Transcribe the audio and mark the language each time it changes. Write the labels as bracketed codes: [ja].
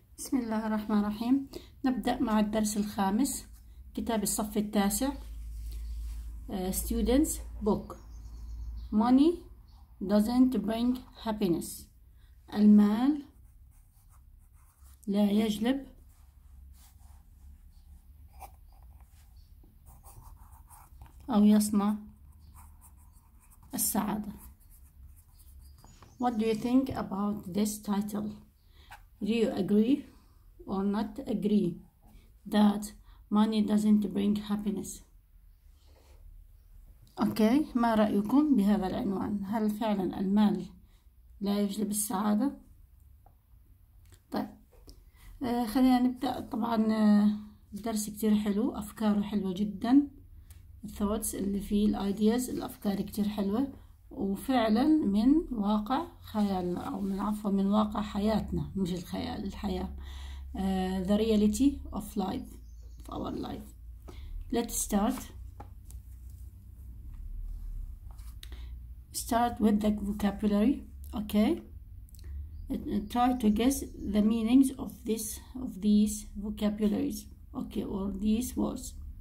[ar] بسم الله الرحمن الرحيم، نبدأ مع الدرس الخامس، كتاب الصف التاسع. [en] Students book. Money doesn't bring happiness. [ar] المال لا يجلب أو يصنع السعادة. [en] What do you think about this title? Do you agree or not agree that money doesn't bring happiness? [ar] Okay, ما رأيكم بهذا العنوان؟ هل فعلا المال لا يجلب السعادة؟ طيب، خلينا نبدأ. طبعا الدرس كتير حلو، أفكاره حلوة جدا. الثوتس اللي فيه، الأيدياز، الأفكار كتير حلوة، وفعلا من واقع خيالنا، أو من عفوا من واقع حياتنا، مش الخيال، الحياة. [en] The reality of life, of our life. Let's start. Start with the vocabulary. Okay, try to guess the meanings of this, of these vocabularies, okay, or these words.